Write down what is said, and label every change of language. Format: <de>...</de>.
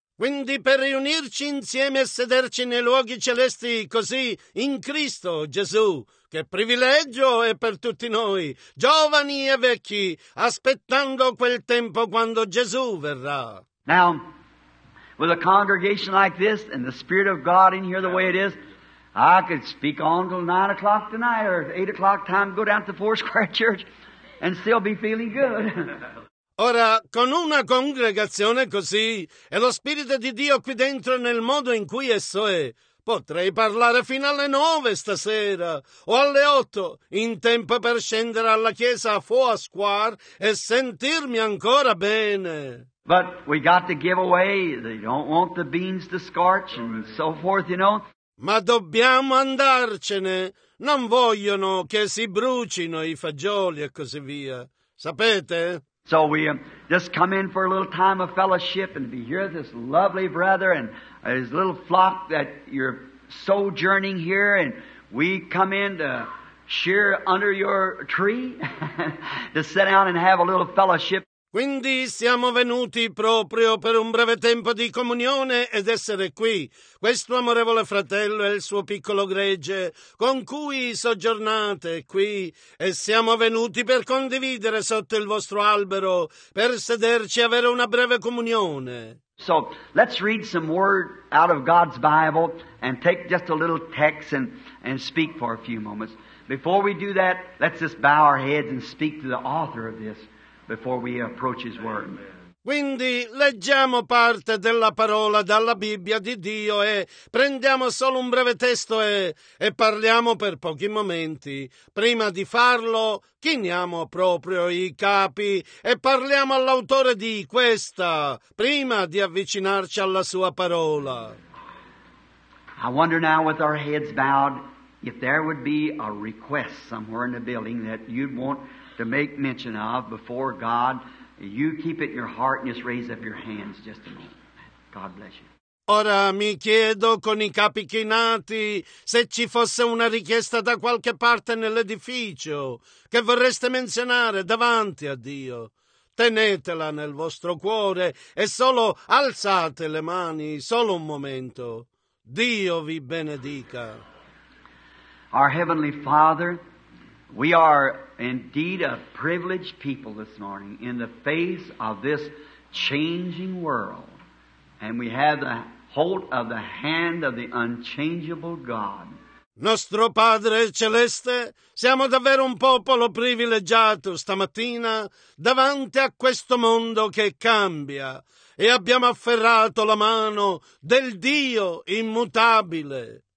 <it>Quindi per riunirci insieme e sederci nei luoghi celesti così in Cristo Gesù, che privilegio è per tutti noi, giovani e vecchi, aspettando quel tempo quando Gesù verrà.</it> <en>Now, with a congregation like this and the Spirit of God in here the way it is, I could speak on till 9 o'clock tonight or 8 o'clock time, go down to the Four Square Church and still be feeling good.</en> <it>Ora, con una congregazione così, e lo Spirito di Dio qui dentro nel modo in cui esso è, Potrei parlare fino alle 9 stasera, o alle 8, in tempo per scendere alla chiesa a Foa Square e sentirmi ancora bene.</it> <en>But we got to give away, they don't want the beans to scorch and so forth, you know.</en> <it>Ma dobbiamo andarcene, non vogliono che si brucino i fagioli e così via, sapete?</it> <en>So we just come in for a little time of fellowship and be here with this lovely brother and his little flock that you're sojourning here, and we come in to share under your tree to sit down and have a little fellowship.</en> <it>Quindi siamo venuti proprio per un breve tempo di comunione ed essere qui. Questo amorevole fratello e il suo piccolo gregge con cui soggiornate qui, e siamo venuti per condividere sotto il vostro albero, per sederci e avere una breve comunione.</it> <en>So, let's read some word out of God's Bible and take just a little text and speak for a few moments. Before we do that, let's just bow our heads and speak to the author of this. Before we approach his word.</en> <it>Quindi leggiamo parte della parola dalla Bibbia di Dio e prendiamo solo un breve testo e parliamo per pochi momenti. Prima di farlo, chiniamo proprio i capi e parliamo all'autore di questa, prima di avvicinarci alla sua parola.</it> <en>I wonder now with our heads bowed if there would be a request somewhere in the building that you'd want to make mention of before God. You keep it in your heart and just raise up your hands just a moment. God bless you.</en> <it>Ora mi chiedo con i capi chinati se ci fosse una richiesta da qualche parte nell'edificio che vorreste menzionare davanti a Dio. Tenetela nel vostro cuore e solo alzate le mani, solo un momento. Dio vi benedica.</it> <en>Our Heavenly Father, we are indeed a privileged people this morning in the face of this changing world. And we have the hold of the hand of the unchangeable God.</en> <it>Nostro Padre Celeste, siamo davvero un popolo privilegiato stamattina davanti a questo mondo che cambia. E abbiamo afferrato la mano del Dio immutabile.</it>